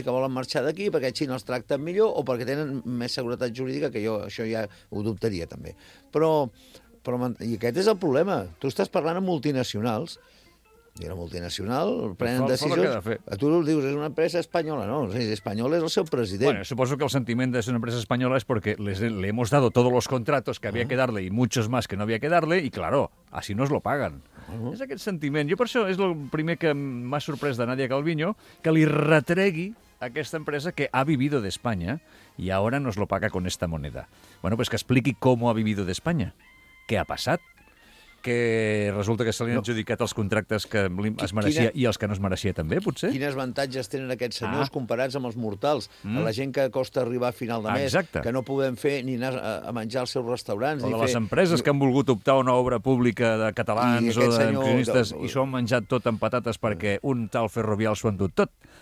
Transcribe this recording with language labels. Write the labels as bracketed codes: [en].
[ca] Que volen marxar d'aquí perquè a Xina els tracten millor o perquè tenen més seguretat jurídica, que jo això ja ho dubtaria també. Però... I aquest és el problema. Tu estàs parlant amb multinacionals i era multinacional, prenen decisions... A tu dius, és una empresa espanyola, no? Espanyola és el seu president. Bueno, suposo que el sentiment de ser una empresa espanyola és perquè [es] le hemos dado todos los contratos que había que darle y muchos más que no había que darle, y claro, así nos lo pagan. [ca] És aquest sentiment. Jo per això és el primer que m'ha sorprès de Nadia Calviño, que li retregui aquesta empresa que [es] ha vivido de España y ahora nos lo paga con esta moneda. [ca] Bueno, pues que expliqui com [es] ha vivido de España. [ca] Què ha passat? Que resulta que se li han adjudicat els contractes que es mereixia i els que no es mereixia també, potser? Quins avantatges tenen aquests senyors comparats amb els mortals? Mm. A la gent que costa arribar a final de mes, exacte, que no podem fer ni anar a menjar als seus restaurants. O ni de les empreses que han volgut optar a una obra pública de catalans o d'empresonistes i s'ho han menjat tot amb patates perquè un tal Ferrovial s'ho han dut tot.